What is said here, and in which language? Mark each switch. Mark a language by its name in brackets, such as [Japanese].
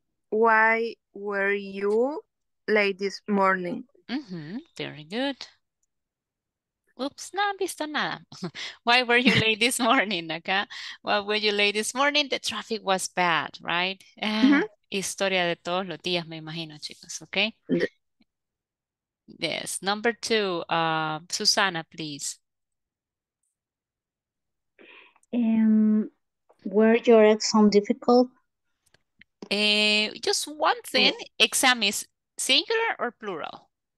[English] Why were you late this morning? Mm-hmm, very good. Oops, [Spanish] no he visto nada. [English] Why were you late this morning? Okay? Why were you late this morning? The traffic was bad, right? Mm-hmm. [Spanish] Historia de todos los días, me imagino, chicos, okay? [English] Yes, number two, Susana, please. Were your exam difficult? Just one thing. Oh. Exam is singular or plural?